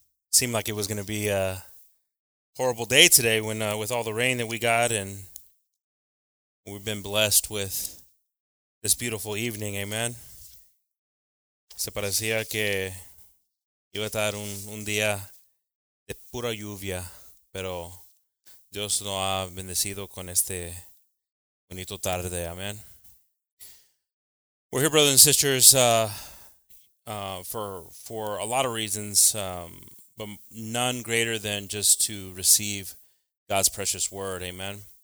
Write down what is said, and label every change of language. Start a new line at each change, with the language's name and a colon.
English: Seemed like it was going to be a horrible day today when, with all the rain that we got, and we've been blessed with this beautiful evening. Amen.
Spanish: Se parecía que iba a estar un día de pura lluvia, pero Dios nos ha bendecido con este bonito tarde.
English: Amen. We're here, brothers and sisters, for a lot of reasons, but none greater than just to receive God's precious word. Amen.